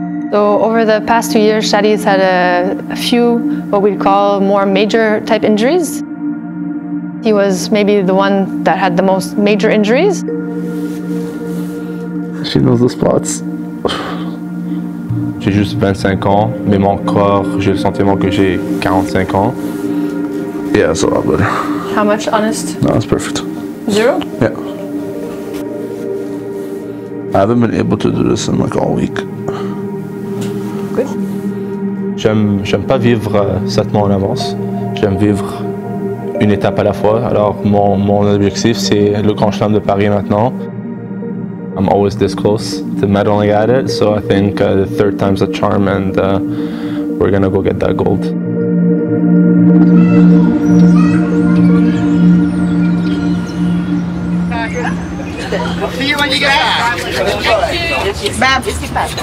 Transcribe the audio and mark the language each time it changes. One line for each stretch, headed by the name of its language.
English: So over the past 2 years, Shadi's had a few what we call more major type injuries. He was maybe the one that had the most major injuries. She knows the spots.
French: J'ai juste 25 ans, mais mon corps, j'ai le sentiment que j'ai 45 ans.
English: Yeah, it's a lot better. How much, honest? No, it's perfect. Zero? Yeah. I haven't been able to do this in like all week. Good.
French: J'aime pas vivre 7 mois en avance. J'aime vivre une étape à la fois. Alors mon objectif, c'est le Grand Chelem de Paris maintenant.
English: I'm always this close to meddling at it, so I think the third time's a charm, and we're gonna go get that gold. See you when you get back.